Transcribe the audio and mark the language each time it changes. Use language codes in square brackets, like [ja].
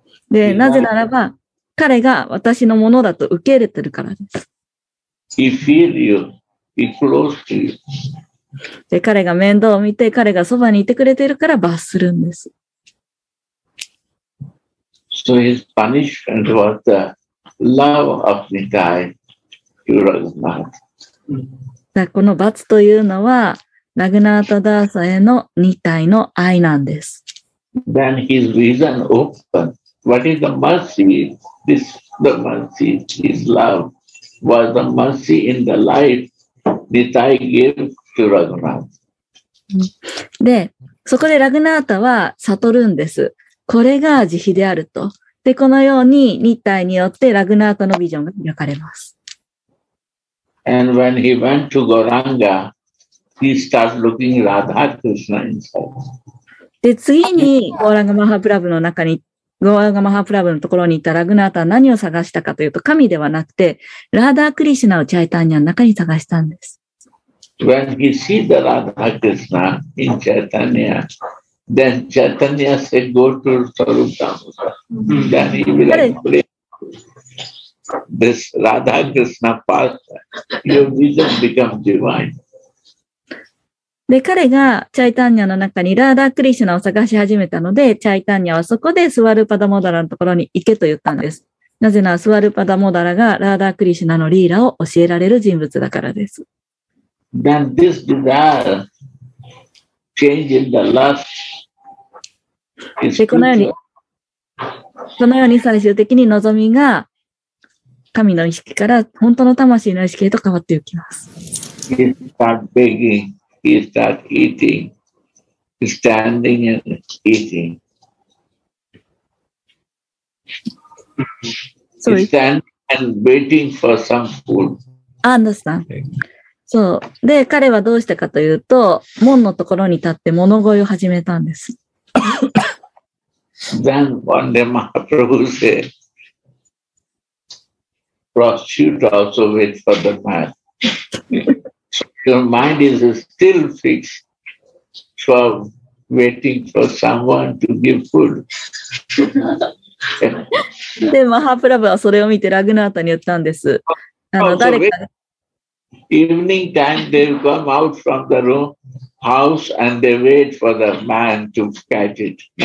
[ja] で、なぜならば、彼が私のものだと受け入れてるからです。 [en] He feel you. He close to you. [ja] で、彼が面倒を見て、彼がそばにいてくれているから罰するんです。 [en] So his punishment was the love of Nithai to Raghunatha. [ja] この罰というのは、ラグナータダーサへのニタイの愛なんです。 [en] Then his reason opened. What is the mercy? This the mercy. His love was the mercy in the life. Nithai gave to Raghunatha. [ja] で、そこでラグナータは悟るんです。これが慈悲であると。で、このようにニッタイによってラグナータのビジョンが描かれます。 [en] And when he went to Gauranga, he started looking Radha Krishna inside. [ja] で、次にゴーランガマハプラブの中に、ゴーランガマハプラブのところに行ったラグナータは何を探したかというと、神ではなくて、ラーダークリシナをチャイタンニャの中に探したんです。 [en] When he sees the Radha Krishna in Chaitanya, then Chaitanya said, go to Sarup Damodara. Then he will explain this Radha Krishna path. Your vision becomes divine. [ja] で、彼がチャイタンニャの中にラーダ・クリシナを探し始めたので、チャイタンニャはそこでスワルパダモダラのところに行けと言ったんです。なぜなら、スワルパダモダラがラーダ・クリシナのリーラを教えられる人物だからです。 [en] Then this desire changes the lust. [ja] で、このように最終的に望みが神の意識から本当の魂の意識へと変わっていきます。 [en] He start begging, he start eating, standing and eating. So he stand and waiting for some food. I understand. そう。 [ja] で、彼はどうしたかというと、門のところに立って物乞いを始めたんです。 [en] Then one day Mahaprabhu said, prostitute also wait for the man. Your mind is still fixed for waiting for someone to give food. [ja] で、マハプラブはそれを見てラグナータに言ったんです。誰か。 [en] Evening time, they come out from the room, house, and they wait for the man to catch it.